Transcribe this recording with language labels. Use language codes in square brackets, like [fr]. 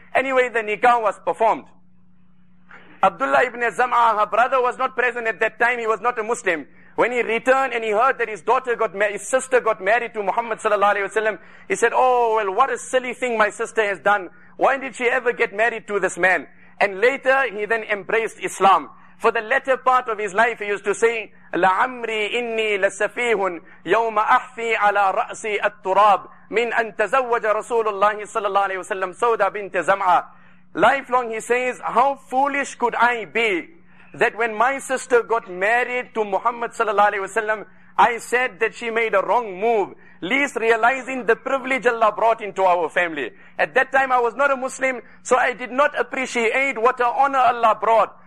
[en] Anyway, the nikah was performed. Abdullah ibn Zam'a, her brother, was not present at that time. He was not a Muslim. When he returned and he heard that his sister got married to Muhammad sallallahu alayhi wa sallam, he said, oh, well, what a silly thing my sister has done. Why did she ever get married to this man? And later, he then embraced Islam. For the latter part of his life, he used to say, [ar] لَعَمْرِي إِنِّي لَسَّفِيهٌ يَوْمَ أَحْفِي عَلَىٰ رَأْسِي التُّرَابِ مِنْ أَن تَزَوَّجَ رَسُولُ اللَّهِ صَلَى اللَّهِ عَلَيْهِ وَسَلَّمْ سَوْدَ بِنْتِ زَمْعَى. [en] Lifelong, he says, how foolish could I be that when my sister got married to Muhammad sallallahu alayhi wa sallam, I said that she made a wrong move, least realizing the privilege Allah brought into our family. At that time, I was not a Muslim, so I did not appreciate what an honor Allah brought.